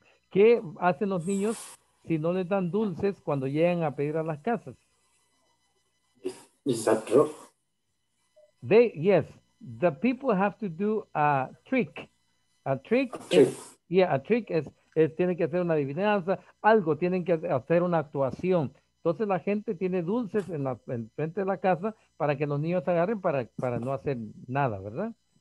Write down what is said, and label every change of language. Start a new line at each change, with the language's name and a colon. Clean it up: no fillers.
Spanish: ¿Qué hacen los niños si no les dan dulces cuando llegan a pedir a las casas?
English: Is that true? They, yes, the people have to do a trick.
Spanish: A trick, tienen que hacer una adivinanza, algo, tienen que hacer una actuación. Entonces la gente tiene dulces en frente de la casa para que los niños agarren para no hacer nada, ¿verdad?